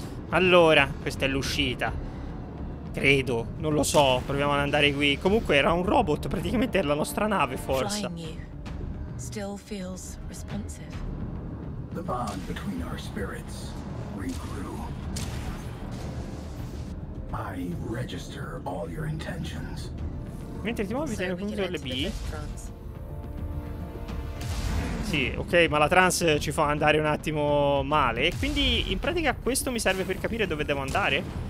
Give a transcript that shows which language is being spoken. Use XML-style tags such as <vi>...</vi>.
<it>Allora, questa è l'uscita. Credo, non lo so, proviamo ad andare qui. Comunque era un robot, praticamente era la nostra nave, forse.</it> <en>Still feels responsive. The bond between our spirits regrew. I register all your intentions.</en> <it>Mentre ti muovi, tengo comunque le B. Sì, ok, ma la trans ci fa andare un attimo male. Quindi, in pratica, questo mi serve per capire dove devo andare.</it>